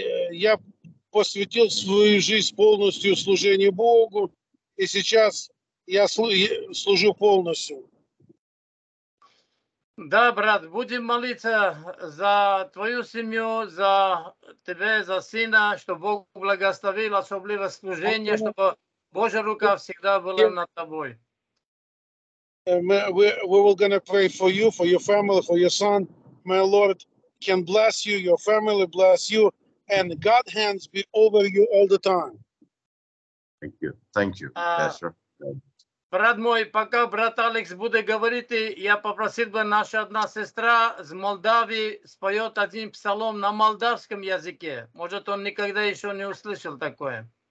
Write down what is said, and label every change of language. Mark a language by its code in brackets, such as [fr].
[ru] Я посвятил свою жизнь полностью служению Богу, и сейчас я служу полностью. Да, брат, будем молиться за твою семью, за тебя, за сына, чтобы Бог благословил, особливо служение, чтобы Божья рука всегда была над тобой. [en] We will gonna pray for you family, for your son. My Lord can bless you, your family bless you. And God's hands be over you all the time. Thank you, Pastor. [ru] Брат мой, пока брат Алекс будет говорить, я попросил бы наша одна сестра из Молдавии споет один псалом на молдавском языке. Может, он никогда еще не услышал такое.